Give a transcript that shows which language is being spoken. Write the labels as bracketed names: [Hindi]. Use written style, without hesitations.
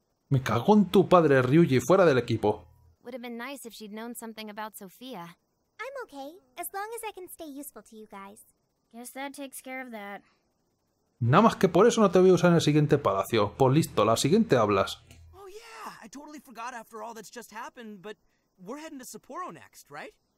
[Spanish] Me cago en tu padre, Ryuji, fuera del equipo. [English] Would have been nice if she'd known something about Sophia. I'm okay, as long as I can stay useful to you guys. Guess that takes care of that. [Spanish] Nada más que por eso no te voy a usar en el siguiente palacio. Pues listo, la siguiente hablas. [English] Oh yeah, I totally forgot after all that's just happened, but we're heading to Sapporo next, right?